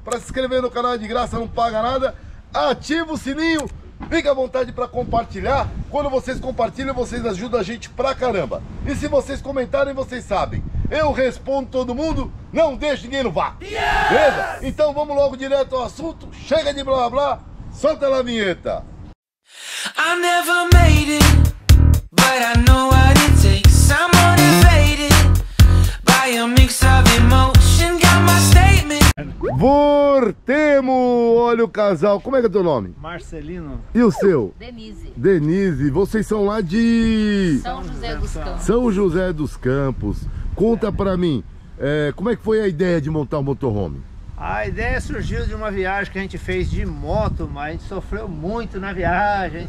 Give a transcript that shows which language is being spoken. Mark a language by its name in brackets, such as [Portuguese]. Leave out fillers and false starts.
[Portuguese] Para se inscrever no canal é de graça, não paga nada. Ativa o sininho, fica à vontade para compartilhar. Quando vocês compartilham, vocês ajudam a gente pra caramba. E se vocês comentarem, vocês sabem, eu respondo todo mundo, não deixo ninguém no vácuo. Yes! Beleza? Então vamos logo direto ao assunto. Chega de blá blá, solta lá a vinheta. [English] I never made it, but I know what it takes. I'm motivated by a mix of emotion, got my statement. [Portuguese] Voltemos! Olha o casal, como é que é teu nome? Marcelino. E o seu? Denise. Denise, vocês são lá de... São José dos Campos. Conta pra mim, como é que foi a ideia de montar o motorhome? A ideia surgiu de uma viagem que a gente fez de moto, mas a gente sofreu muito na viagem.